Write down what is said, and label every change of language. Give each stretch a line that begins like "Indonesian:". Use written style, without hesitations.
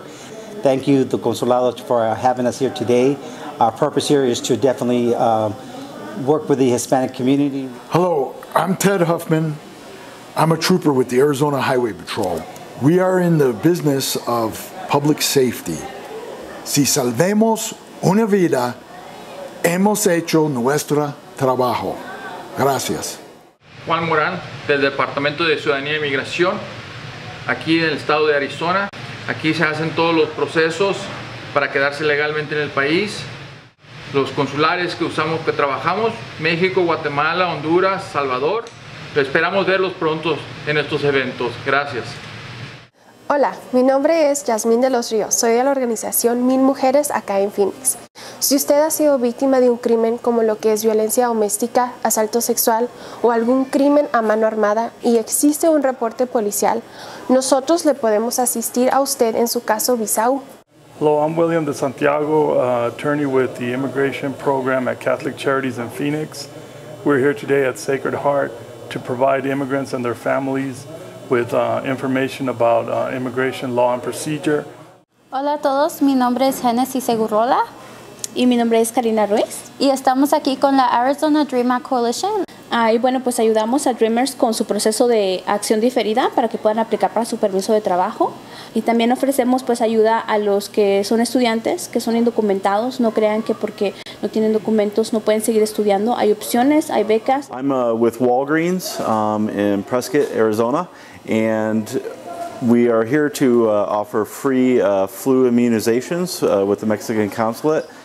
English: Thank you, the Consulado, for having us here today. Our purpose here is to definitely work with the Hispanic community. Hello, I'm Ted Huffman. I'm a trooper with the Arizona Highway Patrol. We are in the business of public safety.
Spanish: Si salvemos una vida, hemos hecho nuestro trabajo. Gracias. Juan Morán, del Departamento de Ciudadanía y Migración, aquí en el estado de Arizona. Aquí se hacen todos los procesos para quedarse legalmente en el país. Los consulares que usamos, que trabajamos, México, Guatemala, Honduras, Salvador. Esperamos verlos pronto en estos eventos. Gracias. Hola, mi nombre es Yasmín de los Ríos. Soy de la organización Mil Mujeres acá en Phoenix. Si usted ha sido víctima de un crimen como lo que es violencia doméstica, asalto sexual o algún crimen a mano armada y existe un reporte policial, nosotros le podemos asistir a usted en su caso Visau.
English: Hello, I'm William de Santiago, attorney with the Immigration Program at Catholic Charities in Phoenix. We're here today at Sacred Heart to provide immigrants and their families with information about immigration law and procedure.
Spanish: Hola a todos, mi nombre es Genesis Segurola. Y mi nombre es Karina Ruiz. Y estamos aquí con la Arizona Dream Act Coalition. Ahí, bueno, pues ayudamos a Dreamers con su proceso de acción diferida para que puedan aplicar para su permiso de trabajo. Y también ofrecemos pues ayuda a los que son estudiantes, que son indocumentados. No crean que porque no tienen documentos no pueden seguir estudiando. Hay opciones, hay becas.
English: I'm with Walgreens in Prescott, Arizona. And we are here to offer free flu immunizations with the Mexican Consulate.